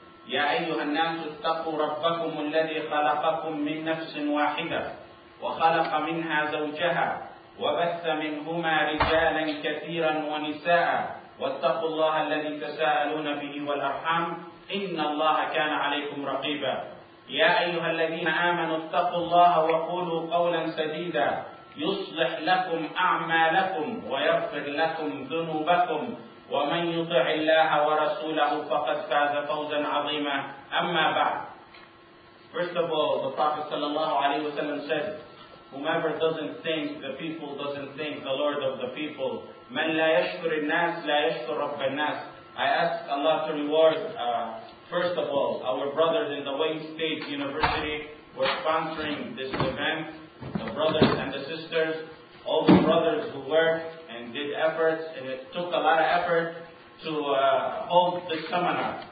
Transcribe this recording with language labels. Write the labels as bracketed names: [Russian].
[Arabic] يا أيها الناس اتقوا ربكم الذي خلقكم من نفس واحدة وخلق منها زوجها وبث منهما رجالا كثيرا ونساء، واتقوا الله الذي تساءلون به والأرحام إن الله كان عليكم رقيبا. يا أيها الذين آمنوا اتقوا الله وقولوا قولا سديدا يصلح لكم أعمالكم ويغفر لكم ذنوبكم، ومن يطع الله ورسوله فقد فاز فوزا عظيما. أما بعد، [English] first of all, the Prophet صلى الله عليه وسلم said, whomever doesn't thank the people doesn't thank the Lord of the people. [Arabic] من لا يشكر الناس لا يشكر رب الناس. [English] I ask Allah to reward first of all, our brothers in the Wayne State University who are sponsoring this event, the brothers and the sisters, all the brothers who worked and did efforts, and it took a lot of effort to hold this seminar.